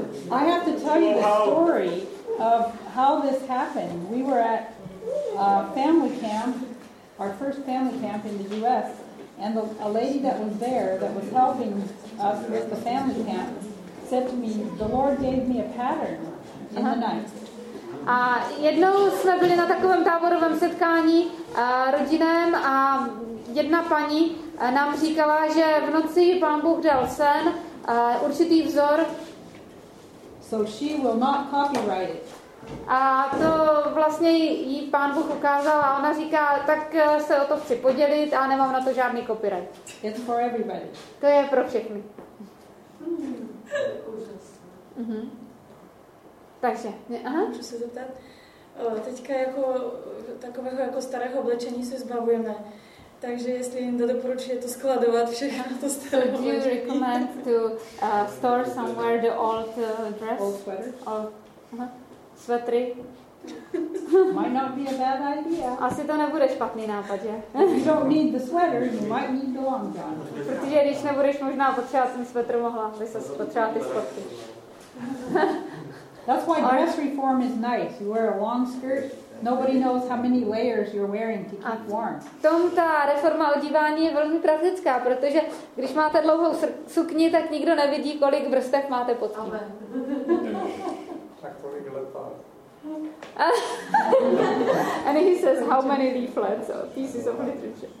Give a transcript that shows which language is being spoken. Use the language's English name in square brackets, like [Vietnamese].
[English] I have to tell you the story of how this happened. We were at a family camp. Our first family camp in the U.S. and a lady that was there that was helping us with the family camp said to me, "The Lord gave me a pattern in the night." [Czech] A jednou jsme byli na takovém táborovém setkání rodinném a jedna paní nám říkala, že v noci Pán Bůh dal sen určitý vzor. [English] So she will not copyright it. [Czech] A to vlastně jí Pán Bůh ukázal a ona říká, tak se o to chci podělit a nemám na to žádný copyright. [English] It's for everybody. [Czech] To je pro všechny. Úžasné. Mm-hmm. Takže, aha. Můžu se zeptat, teďka jako takového jako starého oblečení se zbavujeme. Takže jestli jim to doporučuje to skladovat všechno to staré. [English] Do you recommend to store somewhere the old dress? Old sweaters? [Czech] Svetry? [English] Might not be a bad idea. [Czech] Asi to nebude špatný nápad, že? [English] You don't need the sweater, you might need the long john. [Czech] Protože když nebudeš možná potřebovat ten svetr, mohla by se potřebovat ty spodky. [English] That's why dress reform is nice. You wear a long skirt. Nobody knows how many layers you're wearing to keep warm. [Czech] Tom, ta reforma odívání je velmi praktická, protože když máte dlouhou sukni, tak nikdo nevidí, kolik vrstev máte pod tím. Tak kolik leta. [English] And he says how many leaflets or pieces of literature.